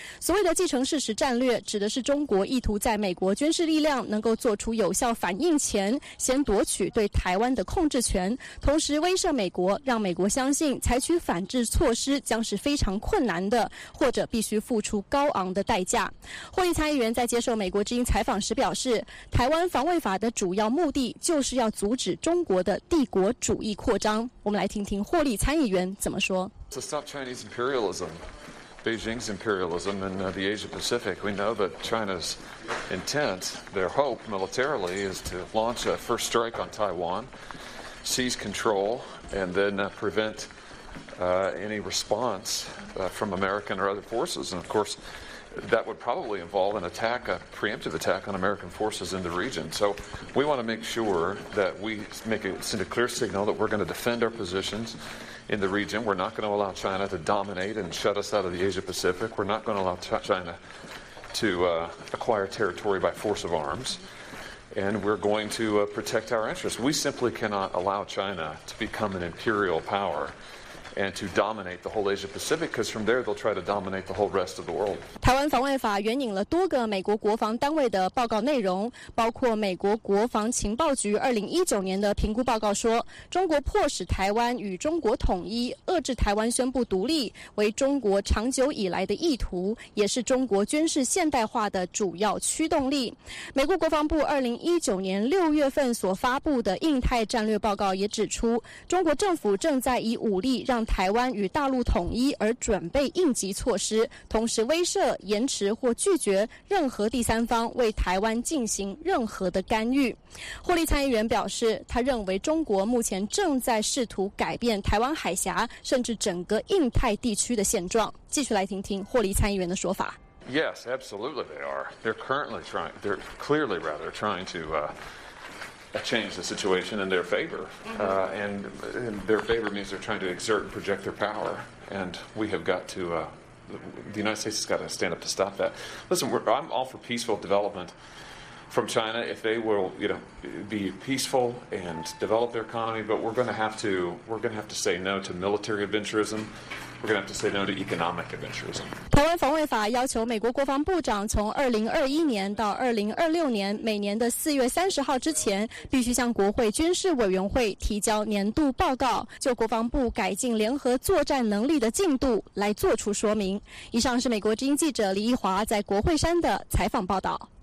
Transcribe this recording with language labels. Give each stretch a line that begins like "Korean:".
Chinese: 所谓的既成事实战略，指的是中国意图在美国军事力量能够做出有效反应前，先夺取对台湾的控制权，同时威慑美国，让美国相信采取反制措施将是非常困难的，或者必须付出高昂的代价。霍利参议员在接受美国之音采访时表示，台湾防卫法的主要目的就是要阻止中国的帝国主义扩张。我们来听听霍利参议员怎么说。
English: To stop Chinese imperialism, Beijing's imperialism in the Asia Pacific, we know that China's intent, their hope militarily, is to launch a first strike on Taiwan, seize control, and then prevent any response from American or other forces. And of course,That would probably involve an attack, a preemptive attack on American forces in the region. So we want to make sure that we make it, send a clear signal that we're going to defend our positions in the region. We're not going to allow China to dominate and shut us out of the Asia Pacific. We're not going to allow China to acquire territory by force of arms. And we're going to protect our interests. We simply cannot allow China to become an imperial power. And to dominate the whole Asia Pacific, because from there they'll try to dominate the whole rest of the world.
Chinese: 台湾防卫法援引了多个美国国防单位的报告内容，包括美国国防情报局2019年的评估报告说，中国迫使台湾与中国统一，遏制台湾宣布独立，为中国长久以来的意图，也是中国军事现代化的主要驱动力。美国国防部2019年6月份所发布的印太战略报告也指出，中国政府正在以武力让台湾与大陆统一而准备应急措施，同时威慑、延迟或拒绝任何第三方为台湾进行任何的干预。霍利参议员表示，他认为中国目前正在试图改变台湾海峡甚至整个印太地区的现状。继续来听听霍利参议员的说法。
English: Yes, absolutely they are. They're currently trying, they're clearly rather trying to change the situation in their favor. And their favor means they're trying to exert and project their power. And we have got to, the United States has got to stand up to stop that. Listen, I'm all for peaceful development from China if they will, you know, be peaceful and develop their economy. But we're going to have to say no to military adventurism. We're going to have to say no to economic adventurism.
Chinese: 台湾防卫法要求美国国防部长从2021年到2026年每年的4月30号之前，必须向国会军事委员会提交年度报告，就国防部改进联合作战能力的进度来做出说明。以上是美国之音记者李义华在国会山的采访报道。